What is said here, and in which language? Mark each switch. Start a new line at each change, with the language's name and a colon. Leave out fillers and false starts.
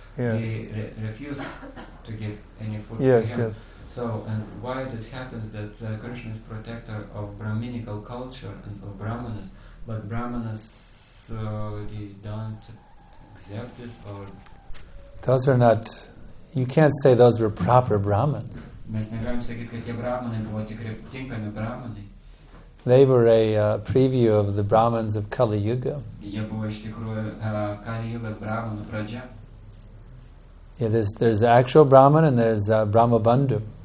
English: He refused to give any food yes, to him. Yes. So, and why this happens that Krishna is protector of Brahminical culture and of Brahmanas, but Brahmanas they don't accept this or... Those are not... You can't say those were proper Brahmins.
Lithuanian: Mes negalim sakyti, kad tie Brahmanai buvo tikri tinkami Brahmanai.
English: They were a preview of the Brahmins of Kali Yuga.
Lithuanian: Jie buvo iš tikrųjų Kali Yugos Brahmanų pradžia.
English: Yeah, there's actual Brahman and there's Brahma Bandhu.